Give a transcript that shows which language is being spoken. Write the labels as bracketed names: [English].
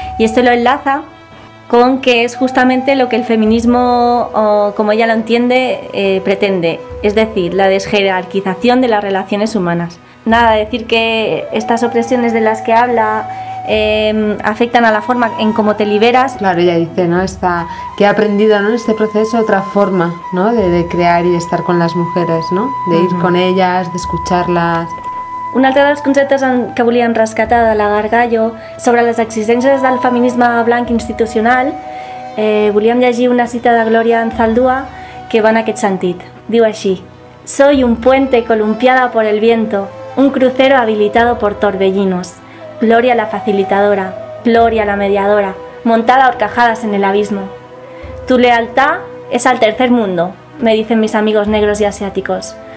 [Spanish] Y esto lo enlaza con que es justamente lo que el feminismo, como ella lo entiende, pretende, es decir, la desjerarquización de las relaciones humanas. Nada, decir que estas opresiones de las que habla afectan a la forma en cómo te liberas. Claro, ella dice, ¿no?, esta, que ha aprendido, ¿no?, en este proceso otra forma, ¿no?, de crear y de estar con las mujeres, ¿no?, de ir con ellas, de escucharlas. [Catalan] Un altre dels conceptes que volien rescatar de la Gargallo sobre les exigències del feminisme blanc institucional, volíem llegir una cita de Gloria Anzaldúa que va en aquest sentit. [Spanish] Diu així: «Soy un puente columpiada por el viento, un crucero habilitado por torbellinos. Gloria la facilitadora, Gloria la mediadora, montada a horcajadas en el abismo. Tu lealtad es al tercer mundo, me dicen mis amigos negros y asiáticos.